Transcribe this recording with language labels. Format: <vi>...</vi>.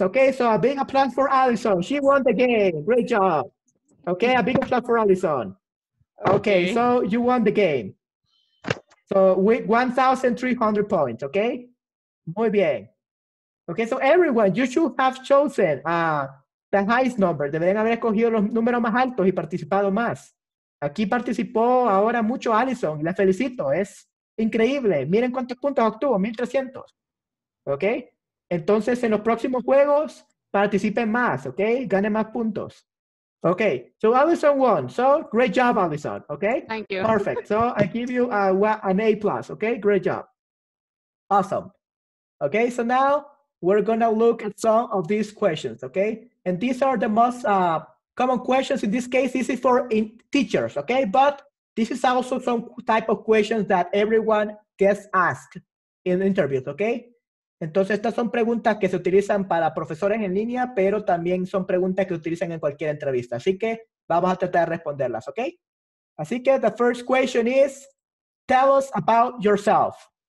<en>Okay, so a big applause for Allison. She won the game. Great job. Okay, a big applause for Allison. Okay, so you won the game. So with 1,300 points, okay?</en> <es>Muy bien.</es> <en>Okay, so everyone, you should have chosen the highest number.</en> <es>Deberían haber escogido los números más altos y participado más. Aquí participó ahora mucho Allison. La felicito, es increíble. Miren cuántos puntos obtuvo, 1,300. Okay? Entonces, en los próximos juegos, participen más, okay? Ganen más puntos.</es> <en>Okay, so Allison won. So great job, Allison, okay? Thank you. Perfect. So I give you an A plus, okay? Great job. Awesome. Okay, so now we're gonna look at some of these questions, okay? And these are the most common questions. In this case, this is for teachers, okay? But this is also some type of questions that everyone gets asked in interviews, okay?</en> <es>Entonces, estas son preguntas que se utilizan para profesores en línea, pero también son preguntas que se utilizan en cualquier entrevista. Así que vamos a tratar de responderlas, ¿ok? Así que</es> <en>the first question is, tell us about yourself.</en>